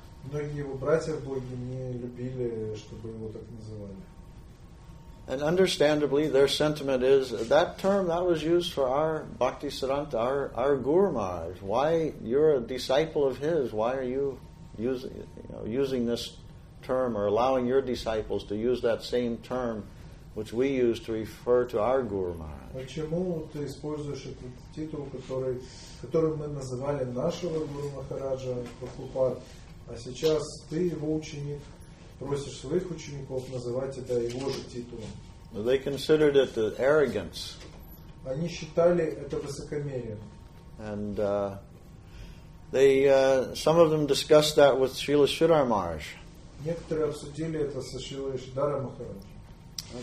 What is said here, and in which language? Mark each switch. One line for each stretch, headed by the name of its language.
Russian: Многие его братья боги не любили, чтобы его так называли.
English: And understandably, their sentiment is that term that was used for our Bhaktisiddhanta, our Guru Maharaj. Why you're a disciple of his? Why are you using this term or allowing your disciples to use that same term, which we use to refer to our Guru Maharaj?
Russian: Почему ты используешь этот титул, который мы называли нашего Гуру Махараджа Прабхупад, а сейчас ты его ученик? Просишь своих учеников называть это его же титулом.
English: They considered it the arrogance.
Russian: Они считали это высокомерием.
English: And Some of them discussed that with Srila Sridhar Maharaj.
Russian: Некоторые обсудили это со Шрилой Шридхарой Махарадж.